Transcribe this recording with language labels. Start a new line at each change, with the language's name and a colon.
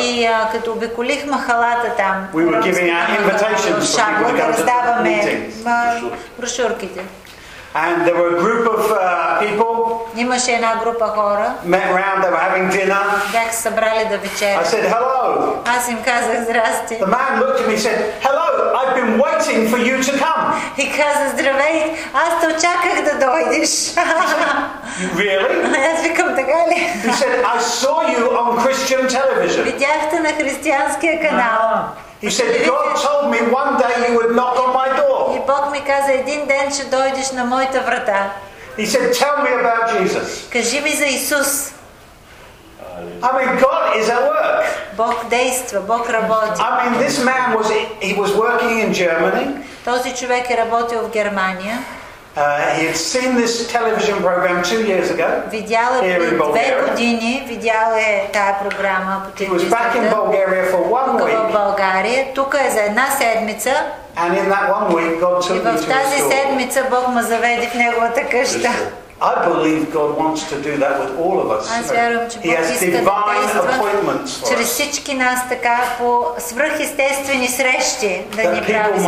Bulgarian: И като обиколих Махалата там.
English: We were giving out invitations for people to go to the
Bulgarian: даваме брошурките.
English: And there were a group of people.
Bulgarian: Имаше една група хора.
English: Met round, they were having dinner.
Bulgarian: Бяха събрали да вечеря.
English: I said hello.
Bulgarian: Аз им казах здрасти.
English: The man looked at me and said, "Hello, I've been waiting for you to come."
Bulgarian: И каза здравей, аз те очаках да дойдеш.
English: Really?
Bulgarian: Аз викам така ли?
English: He said, "I saw you on Christian television."
Bulgarian: Видях те на християнския канал.
English: He said, "God told me one day you would knock on my door."
Bulgarian: И Бог ми каза един ден ще дойдеш на моята врата.
English: He said, "Tell me about Jesus."
Bulgarian: Кажи ми за Исус.
English: I mean, God is at work.
Bulgarian: Бог действа, Бог работи.
English: I mean, this man was he was working in Germany.
Bulgarian: Този човек е работил в Германия.
English: He had seen this television program 2 years ago.
Bulgarian: Видял е две години, видял е тая програма по телевизията.
English: He was back in Bulgaria for 1 week.
Bulgarian: Тук в България, тук е за една седмица.
English: And in that 1 week, God took me to his store.
Bulgarian: И в тази седмица Бог ме заведе в неговата къща.
English: I believe God wants to do that with all of us. He has divine appointments for us.
Bulgarian: Чрез всички нас така по свръхестествени срещи да ни прави